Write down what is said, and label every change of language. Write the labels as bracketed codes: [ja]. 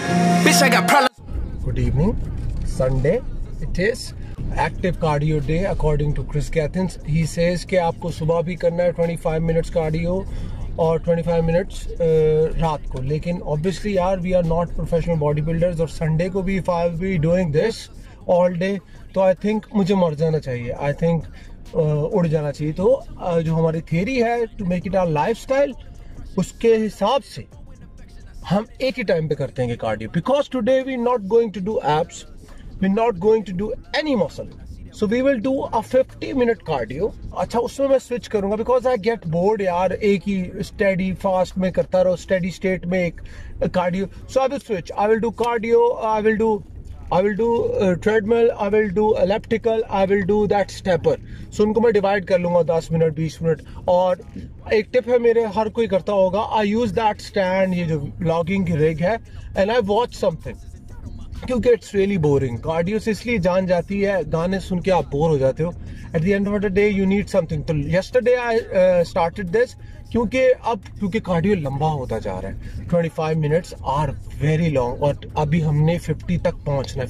[en] Sunday, it is active cardio day according to Chris Gathens. He says [hi] कि आपको सुबह भी करना है 25 minutes cardio और 25 minutes रात को. [en] लेकिन obviously यार we are not professional bodybuilders और Sunday को भी if I will be doing this all day, तो I think [hi] मुझे मर जाना चाहिए. [en] I think [hi] उड़ जाना चाहिए. तो जो हमारी theory है [en] to make it our lifestyle, [hi] उसके हिसाब से हम एक ही time पे करते हैं cardio. [en] Because today we not going to do abs. We're not going to do any muscle. So we will do a 50-minute cardio. [hi] अच्छा उसमें मैं switch करूँगा [en] because I get bored [hi] यार, एक ही steady fast में करता रहो, steady state में एक cardio. [en] So I will switch. I will do cardio. I will do treadmill. I will do elliptical. I will do that stepper. [hi] So उनको मैं divide कर लूँगा 10 minute, 20 minute. और एक tip है मेरे, हर कोई करता होगा. [en] I use that stand, ये जो logging rig है, and I watch something. [hi] क्योंकि [en] It's really boring. [hi] कार्डियो से इसलिए जान जाती है, गाने सुन के आप बोर हो जाते हो. [en] At the end of the day you need something. तो yesterday I started this [hi] क्योंकि अब क्योंकि कार्डियो लंबा होता जा रहा है. [en] 25 minutes are very long [hi] और अभी हमने 50 तक पहुंचना है.